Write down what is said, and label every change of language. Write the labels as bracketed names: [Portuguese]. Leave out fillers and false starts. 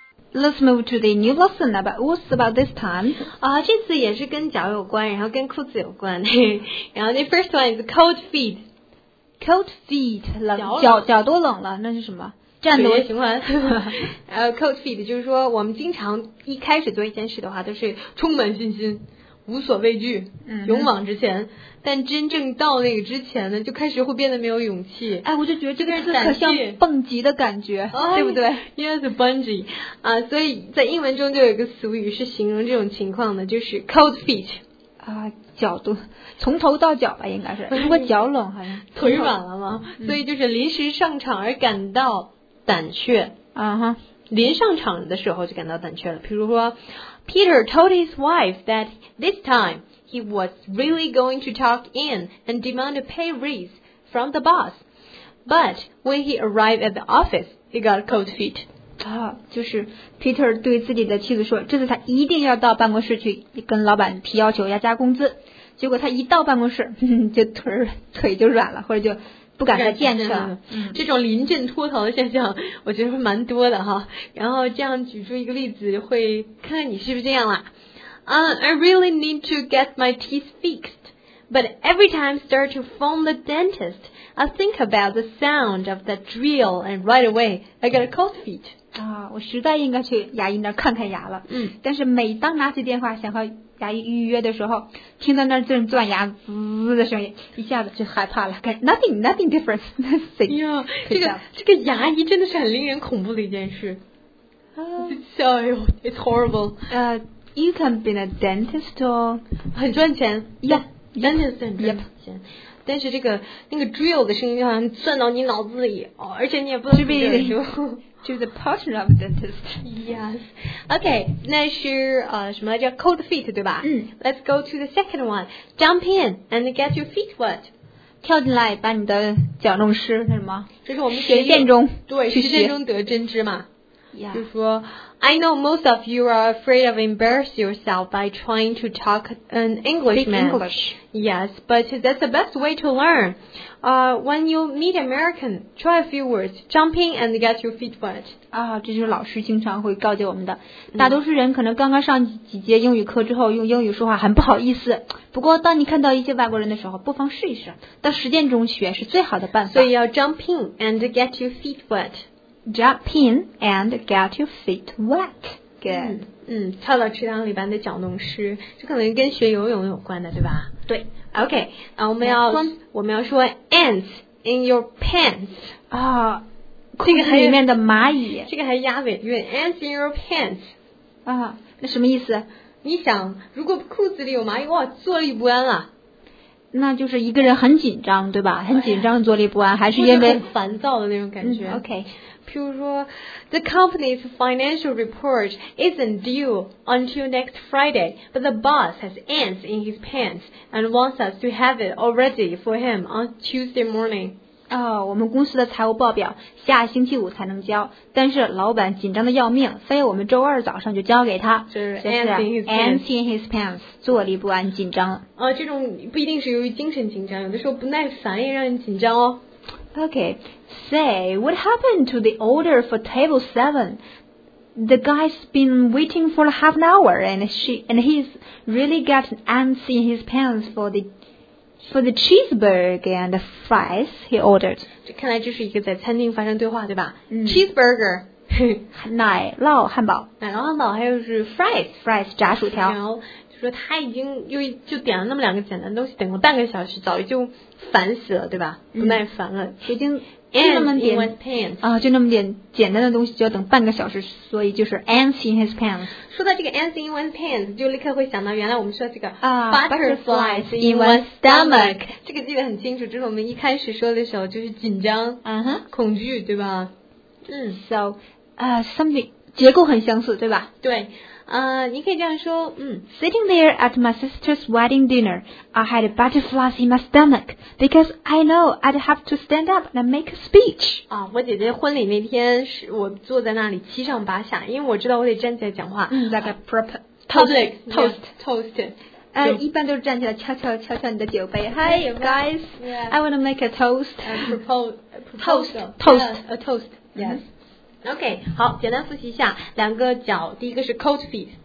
[English] Let's move to the new lesson about what's about this time. [Chinese] 这次也是跟脚有关，然后跟裤子有关。然后 [English] the first one is cold feet. [Chinese] Cold feet, 冷脚，脚都冷了，那是什么？战斗循环。cold feet 就是说我们经常一开始做一件事的话都是充满信心，无所畏惧，勇往直前。但真正到那个之前呢，就开始会变得没有勇气。我就觉得这个字可像蹦极的感觉，对不对？ [English] Yes, bungee. [Chinese] 所以在英文中就有一个俗语是形容这种情况的，就是 cold feet. 脚都从头到脚吧，应该是。如果脚冷还是腿软了吗？所以就是临时上场而感到胆怯。临上场的时候就感到胆怯了。比如说 [English] Peter told his wife that this time he was really going to talk in and demand a pay raise from the boss. But when he arrived at the office, he got cold feet. [Chinese] 就是 Peter 对自己的妻子说，这次他一定要到办公室去跟老板提要求要加工资。结果他一到办公室，就腿就软了，或者就不敢再见去了。这种临阵脱逃的现象我觉得会蛮多的哈。然后这样举出一个例子会看看你是不是这样啦。 [English] I really need to get my teeth fixed, but every time I start to phone the dentist, I think about the sound of the drill, and right away, I get a cold feet. [Chinese] 我实在应该去牙医那儿看看牙了。但是每当拿起电话想和牙医预约的时候，听到那儿正钻牙滋的声音，一下子就害怕了。 [English] Nothing different. Nothing. Yeah, [Chinese] 这个牙医真的是很令人恐怖的一件事。 [English] It's horrible. You can be a dentist or [Chinese] 很赚钱 [English] Yeah, dentist [Chinese] 很赚钱、但是那个 drill 的声音好像钻到你脑子里、而且你也不能闭着眼睛 [English] to the partner of dentist. Yes. Okay, [Chinese] 那是什么叫 [English] cold feet [Chinese] 对吧、 [English] Let's go to the second one. Jump in and get your feet wet. [Chinese] 跳进来把你的脚弄湿那什么，这是我们实践中，对，实践中得真知嘛。 [English] Yeah. [Chinese] 就是说 [English] I know most of you are afraid of embarrass yourself by trying to talk an Englishman. Speak English. Yes, but that's the best way to learn. When you meet American, try a few words, jump in and get your feet wet. [Chinese] 这就是老师经常会告诫我们的。大多数人可能刚刚上几节英语课之后用英语说话很不好意思。不过当你看到一些外国人的时候不妨试一试。到实践中学是最好的办法。所以要 [English] jump in and get your feet wet. Jump in and get your feet wet. Good. [Chinese] 跳到池塘里把你的脚弄湿，这可能跟学游泳有关的，对吧？对。 [English] OK, [Chinese] 我们要说 [English] ants in your pants. [Chinese] 裤子里面的蚂蚁。这个还压尾韵 [English] ants in your pants. [Chinese] 那什么意思？你想，如果裤子里有蚂蚁，哇，坐立不安啊。那就是一个人很紧张，对吧？很紧张，坐立不安，还是因为很烦躁的那种感觉。 [English] OK， [Chinese] 譬如说 [English] ，The company's financial report isn't due until next Friday, but the boss has ants in his pants and wants us to have it already for him on Tuesday morning. [Chinese] 哦，我们公司的财务报表下星期五才能交，但是老板紧张的要命，非要我们周二早上就交给他。就是 [English] ants in his pants， [Chinese] 坐立不安，紧张。这种不一定是由于精神紧张，有的时候不耐烦也让人紧张哦。 [English] Okay, say, what happened to the order for table 7? The guy's been waiting for half an hour, and he's really got ants in his pants for the cheeseburger and the fries he ordered. [Chinese] 这看来这是一个在餐厅发生对话，对吧？ [English] Cheeseburger, [Chinese] 奶酪汉堡，奶酪汉堡，还有是 fries 炸薯条。然后就说他已经又就点了那么两个简单东西，等了半个小时，早就烦死了，对吧？不耐烦了，已经就那么点简单的东西就要等半个小时，所以就是 [English] ants in his pants。 [Chinese] 说到这个 [English] ants in one's pants， [Chinese] 就立刻会想到原来我们说这个、 [English] butterflies in one's stomach， [Chinese] 这个记得很清楚，就是我们一开始说的时候就是紧张、恐惧，对吧？ [English] So something [Chinese] 结构很相似，对吧？对，你可以这样说， [English] Sitting there at my sister's wedding dinner, I had butterflies in my stomach because I know I'd have to stand up and make a speech. [Chinese] 啊，我姐姐婚礼那天是我坐在那里七上八下，因为我知道我得站起来讲话。 [English] Like a proper public toast. [Chinese] 一般都是站起来敲敲你的酒杯。 [English] Hi guys, I want to make a toast. A proposal. Yes. OK， [Chinese] 好，简单复习一下，两个脚，第一个是 cold feet，